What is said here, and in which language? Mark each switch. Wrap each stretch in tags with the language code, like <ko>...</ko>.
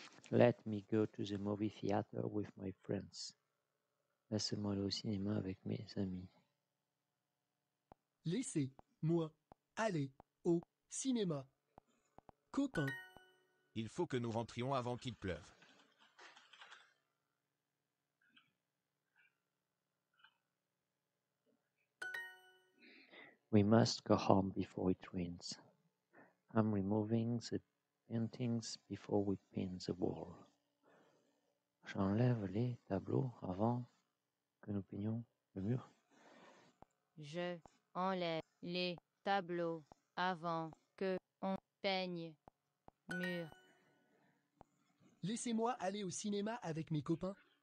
<en>Let me go to the movie theater with my friends.</en> <fr>Laisse-moi aller au cinéma avec mes amis. Laissez-moi aller au cinéma, copain. Il faut que nous rentrions avant qu'il pleuve.</fr> <en>We must go home before it rains. I'm removing the paintings before we paint the wall.</en> <fr>J'enlève les tableaux avant que nous peignions le mur. Je enlève les tableaux avant que on peigne le mur. Laissez-moi aller au cinéma avec mes copains.</fr>